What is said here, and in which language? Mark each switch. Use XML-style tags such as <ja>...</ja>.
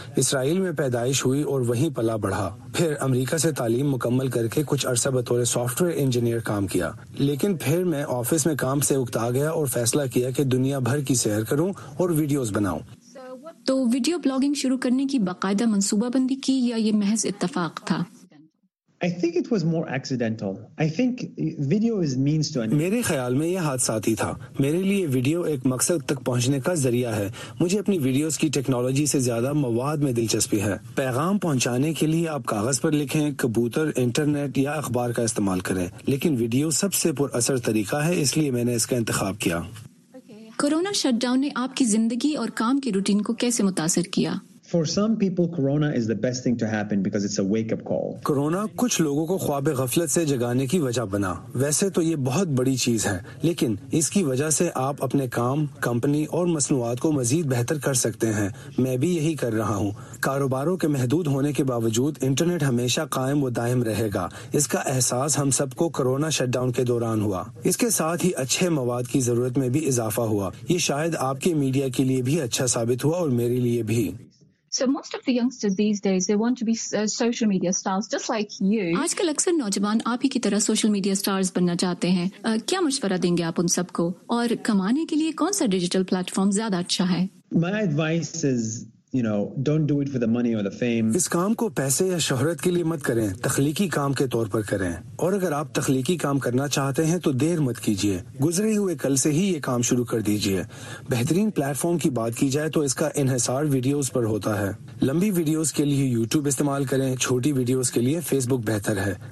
<ur>اسرائیل میں پیدائش ہوئی اور وہیں پلا بڑھا, پھر امریکہ سے تعلیم مکمل کر کے کچھ عرصہ بطور سافٹ ویئر انجینئر کام کیا, لیکن پھر میں آفس میں کام سے اکتا گیا اور فیصلہ کیا کہ دنیا بھر کی سیر کروں اور ویڈیوز بناؤں. تو ویڈیو بلاگنگ شروع کرنے کی باقاعدہ منصوبہ بندی کی یا یہ محض اتفاق تھا؟</ur> <en>I think it was more accidental. I think video is means to an end.</en> <ur>میرے خیال میں یہ حادثاتی تھا. میرے لیے ویڈیو ایک مقصد تک پہنچنے کا ذریعہ ہے. مجھے اپنی ویڈیوز کی ٹیکنالوجی سے زیادہ مواد میں دلچسپی ہے. پیغام پہنچانے کے لیے آپ کاغذ پر لکھیں, کبوتر, انٹرنیٹ یا اخبار کا استعمال کریں, لیکن ویڈیو سب سے پر اثر طریقہ ہے, اس لیے میں نے اس کا انتخاب کیا. کورونا شٹ ڈاؤن نے آپ کی زندگی اور کام کے روٹین کو کیسے متاثر کیا؟</ur> <en>For some people, corona is the best thing to happen because it's a wake-up call.</en> <ur>Corona kuch logon ko khwab ghaflat se jagane ki wajah bana. Waise to ye bahut badi cheez hai, lekin iski wajah se aap apne kaam, company aur masnuwat ko mazid behtar kar sakte hain. Main bhi yahi kar raha hu. کاروباروں کے محدود ہونے کے باوجود internet ہمیشہ قائم و دائم رہے گا. اس کا احساس ہم سب کو کرونا شٹ ڈاؤن کے دوران ہوا. اس کے ساتھ ہی اچھے مواد کی ضرورت میں بھی اضافہ ہوا. یہ شاید آپ کے میڈیا کے لیے بھی اچھا ثابت ہوا اور میرے لیے بھی.</ur> <en>So most of the youngsters these days, they want to be social media stars just like you.</en> <ur>آج کل اکثر نوجوان آپ ہی کی طرح سوشل میڈیا اسٹارز بننا چاہتے ہیں. کیا مشورہ دیں گے آپ ان سب کو, اور کمانے کے لیے کون سا ڈیجیٹل پلیٹ فارم زیادہ اچھا ہے؟</ur> <en>My advice is, you know, don't do it for the money or the fame.</en> <ur>اس کام کو پیسے یا شہرت کے لیے مت کریں, تخلیقی کام کے طور پر کریں. اور اگر آپ تخلیقی کام کرنا چاہتے ہیں تو دیر مت کیجیے, گزرے ہوئے کل سے ہی یہ کام شروع کر دیجیے. بہترین پلیٹ فارم کی بات کی جائے تو اس کا انحصار ویڈیوز پر ہوتا ہے. لمبی ویڈیوز کے لیے یوٹیوب استعمال کریں, چھوٹی ویڈیوز کے لیے فیس بک بہتر ہے.</ur>